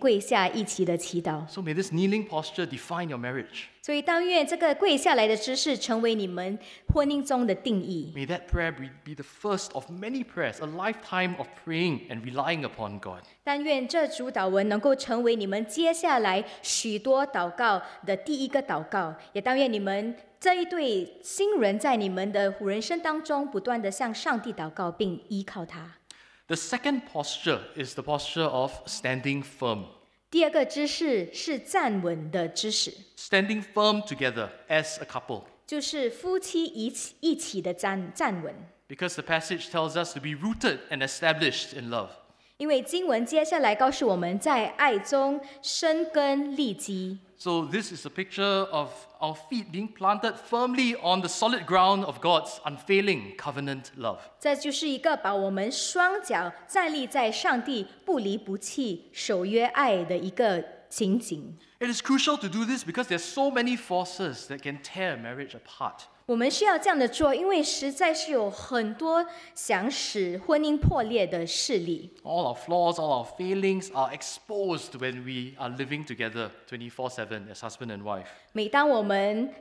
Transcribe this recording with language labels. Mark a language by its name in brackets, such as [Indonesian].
[Chinese] 那非常贴切的就是，待会儿当你们结为夫妻的时候，你们将会在圣座面前跪下，一起的祈祷。 [English] So may this kneeling posture define your marriage. [Chinese] 所以，但愿这个跪下来的姿势成为你们婚姻中的定义。 [English] May that prayer be the first of many prayers, a lifetime of praying and relying upon God. [Chinese] 但愿这主祷文能够成为你们接下来许多祷告的第一个祷告，也但愿你们。这一对新人在你们的人生当中不断地向上帝祷告并依靠他。 [English] The second posture is the posture of standing firm. [Chinese] 第二个知识是站稳的知识。 [English] Standing firm together as a couple. [Chinese] 就是夫妻一起的站稳。 [English] Because the passage tells us to be rooted and established in love. [Chinese] 因为经文接下来告诉我们在爱中生根立基。 [English] So this is a picture of our feet being planted firmly on the solid ground of God's unfailing covenant love. [Chinese] 这就是一个把我们双脚站立在上帝不离不弃守约爱的一个情景。 [English] It is crucial to do this because there are so many forces that can tear marriage apart. [Chinese] 我们需要这样的做, 因为实在是有很多想使婚姻破裂的势力。 [English] All our flaws, all our failings are exposed when we are living together 24/7 as husband and wife.